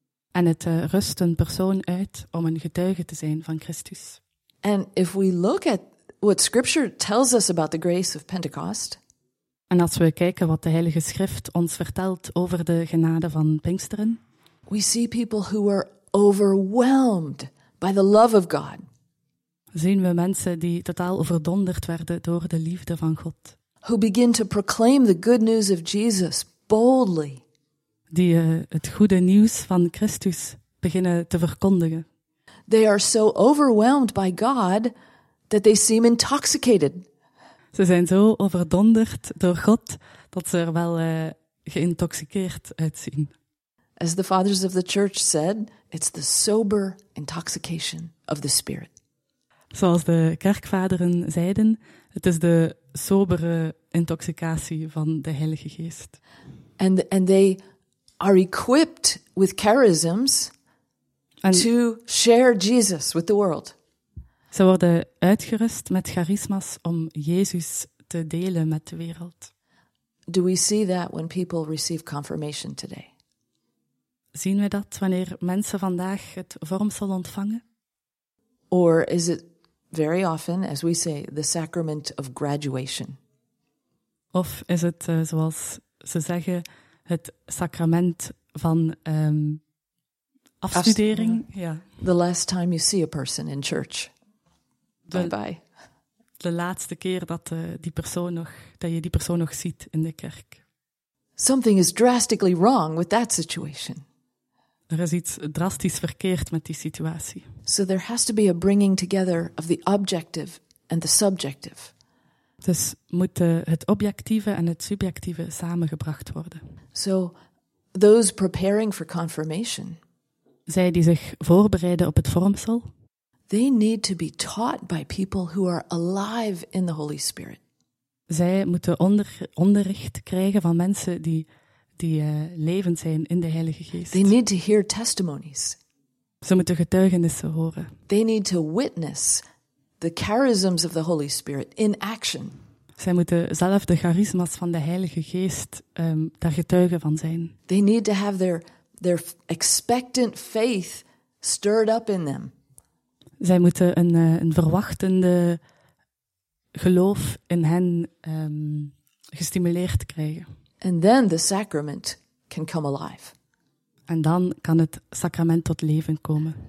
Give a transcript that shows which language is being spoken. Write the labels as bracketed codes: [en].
[nl] En het rust een persoon uit om een getuige te zijn van Christus. [en] And if we look at what Scripture tells us about the grace of Pentecost, [nl] en als we kijken wat de Heilige Schrift ons vertelt over de genade van Pinksteren, [en] we see people who were overwhelmed by the love of God. [nl] Zien we mensen die totaal overdonderd werden door de liefde van God. [en] Who begin to proclaim the good news of Jesus boldly. [nl] Die het goede nieuws van Christus beginnen te verkondigen. [en] They are so overwhelmed by God that they seem intoxicated. [nl] Ze zijn zo overdonderd door God dat ze er wel geïntoxiceerd uitzien. [en] As the fathers of the church said, it's the sober intoxication of the spirit. [nl] Zoals de kerkvaderen zeiden, het is de sobere intoxicatie van de Heilige Geest. [en] And they are equipped with charisms to share Jesus with the world. [nl] Ze worden uitgerust met charisma's om Jezus te delen met de wereld. [en] Do we see that when people receive confirmation today? [nl] Zien we dat wanneer mensen vandaag het vormsel ontvangen? [en] Or is it very often, as we say, the sacrament of graduation? [nl] Of is het, zoals ze zeggen, het sacrament van afstudering? Ja. [en] The last time you see a person in church. Bye-bye. [nl] De laatste keer dat je die persoon nog ziet in de kerk. [en] Something is drastically wrong with that situation. [nl] Er is iets drastisch verkeerd met die situatie. [en] So there has to be a bringing together of the objective and the subjective. [nl] Dus moet het objectieve en het subjectieve samengebracht worden. [en] So those preparing for confirmation. [nl] Zij die zich voorbereiden op het vormsel. [en] They need to be taught by people who are alive in the Holy Spirit. [nl] Zij moeten onderricht krijgen van mensen die levend zijn in de Heilige Geest. [en] They need to hear testimonies. [nl] Ze moeten getuigenissen horen. [en] They need to witness the charisms of the Holy Spirit in action. [nl] Zij moeten zelf de charisma's van de Heilige Geest daar getuigen van zijn. [en] They need to have their expectant faith stirred up in them. [nl] Zij moeten een verwachtende geloof in hen gestimuleerd krijgen. [en] And then the sacrament can come alive. [nl] En dan kan het sacrament tot leven komen.